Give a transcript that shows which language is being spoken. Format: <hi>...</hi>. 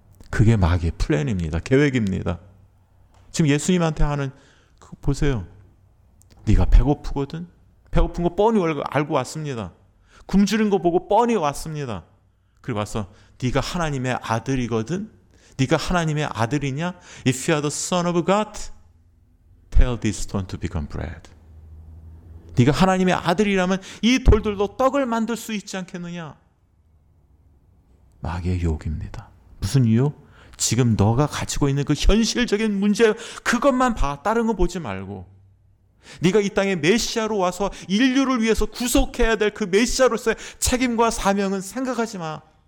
<ko>그게 마귀의 플랜입니다. 계획입니다. 지금 예수님한테 하는 그거 보세요. 네가 배고프거든? 배고픈 거 뻔히 알고 왔습니다. 굶주린 거 보고 뻔히 왔습니다. 그리고 와서 네가 하나님의 아들이거든? 네가 하나님의 아들이냐?</ko> <en>If you are the son of God, tell this stone to become bread.</en> <ko>네가 하나님의 아들이라면 이 돌들도 떡을 만들 수 있지 않겠느냐? 마귀의 욕입니다. 무슨 유혹? 지금 너가 가지고 있는 그 현실적인 문제 그것만 봐. 다른 거 보지 말고. 네가 이 땅에 메시아로 와서 인류를 위해서 구속해야 될 그 메시아로서의 책임과 사명은 생각하지 마.</ko>